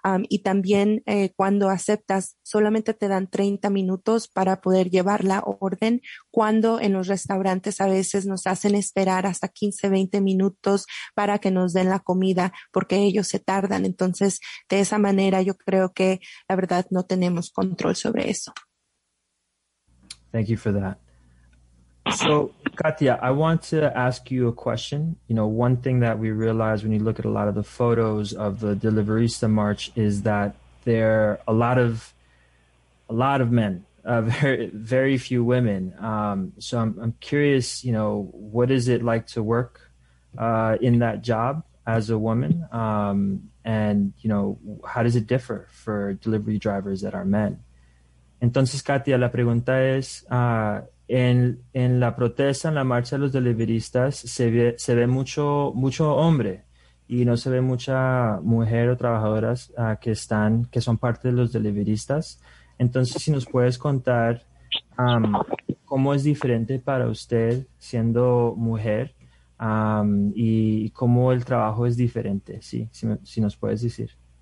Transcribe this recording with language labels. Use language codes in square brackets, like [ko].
[es] y también cuando aceptas, solamente te dan 30 minutos para poder llevar la orden, cuando en los restaurantes a veces nos hacen esperar hasta 15, 20 minutos para que nos den la comida, porque ellos se tardan. Entonces, de esa manera, yo creo que la verdad no tenemos control sobre eso. [en] Thank you for that. So, Katia, I want to ask you a question. You know, one thing that we realize when you look at a lot of the photos of the Deliverista March is that there are a lot of men, very few women. So I'm curious, you know, what is it like to work in that job as a woman? And, you know, how does it differ for delivery drivers that are men? [es] Entonces, Katia, la pregunta es, en la protesta, en la marcha de los deliveristas, se ve mucho hombre, y no se ve mucha mujer o trabajadoras que son parte de los deliveristas. Entonces, si nos puedes contar cómo es diferente para usted siendo mujer, y cómo el trabajo es diferente, sí, si nos puedes decir.